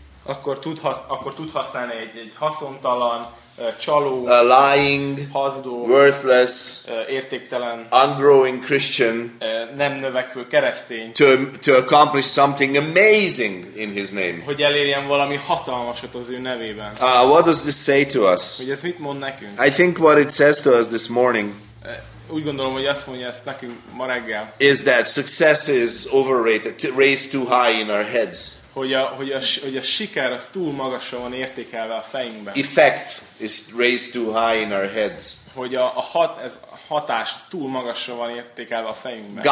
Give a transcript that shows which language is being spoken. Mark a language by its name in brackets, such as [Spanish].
[Hungarian] akkor tud használni egy haszontalan csaló, [English] lying, [Hungarian] hazudó, [English] worthless, [Hungarian] értéktelen, [English] ungrowing Christian, [Hungarian] nem növekvő keresztény, [English] to accomplish something amazing in his name. [Hungarian] Hogy elérjen valami hatalmasat az ő nevében. [English] What does this say to us? [Hungarian] Hogy ez mit mond nekünk? [English] I think what it says to us this morning. [Hungarian] Úgy gondolom, hogy azt mondja ezt nekünk ma reggel. [English] Is that success is overrated, raised too high in our heads. [Hungarian] Hogy a siker az túl magasra van értékelve a fejünkben. [English] Effect is raised too high in our heads. [Hungarian] Hogy a hatás az túl magasra van értékelve a fejünkben.